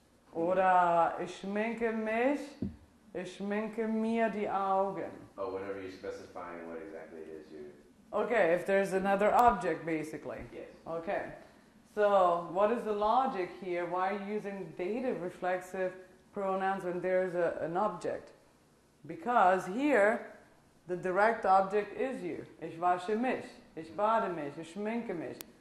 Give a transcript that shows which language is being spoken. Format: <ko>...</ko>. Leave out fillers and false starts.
<de>Oder, ich schminke mich, ich schminke mir die Augen.</de> <en>Oh, whenever you're specifying what exactly it is, you... Okay, if there's another object, basically. Yes. Okay. So, what is the logic here? Why are you using dative reflexive pronouns when there's an object? Because here, the direct object is you.</en> <de>Ich wasche mich, ich bade mich, ich schminke mich.</de>